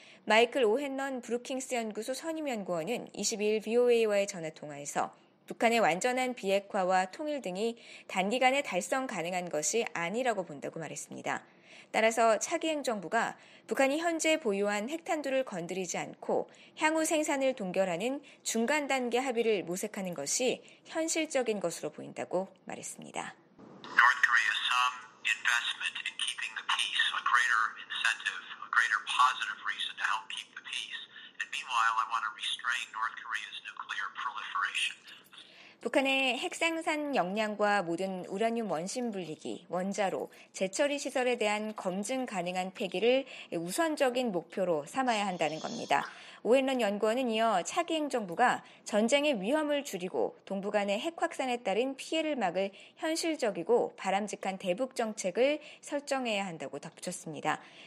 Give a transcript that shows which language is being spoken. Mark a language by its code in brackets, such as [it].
[ko] 마이클 오헨넌 브루킹스 연구소 선임연구원은 22일 VOA와의 전화통화에서 북한의 완전한 비핵화와 통일 등이 단기간에 달성 가능한 것이 아니라고 본다고 말했습니다. 따라서 차기 행정부가 북한이 현재 보유한 핵탄두를 건드리지 않고 향후 생산을 동결하는 중간 단계 합의를 모색하는 것이 현실적인 것으로 보인다고 말했습니다. [en] North Korea some investment in keeping the peace, a greater incentive, a greater positive reason to help keep the peace. And meanwhile, I want to restrain North Korea's nuclear proliferation. [ko] 북한의 핵 생산 역량과 모든 우라늄 원심 분리기, 원자로, 재처리 시설에 대한 검증 가능한 폐기를 우선적인 목표로 삼아야 한다는 겁니다. 오헨런 연구원은 이어 차기 행정부가 전쟁의 위험을 줄이고 동북한의 핵 확산에 따른 피해를 막을 현실적이고 바람직한 대북 정책을 설정해야 한다고 덧붙였습니다.